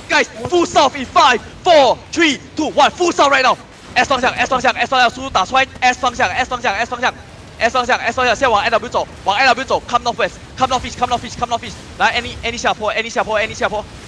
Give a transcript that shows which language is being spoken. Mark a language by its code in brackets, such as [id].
[en] Guys, full south in 5, 4, 3, 2, 1 Full south right now. [zh] S 方向 ，S 方向 ，S 方向，速度打出来。S 方向 ，S 方向 ，S 方向 ，S 方向 ，S 方向，现在往 NW 走，往 NW 走。 [en] Come northwest, come northeast, come northeast, come northeast. [zh] 来 ，any 下坡 ，any 下坡 ，any 下坡。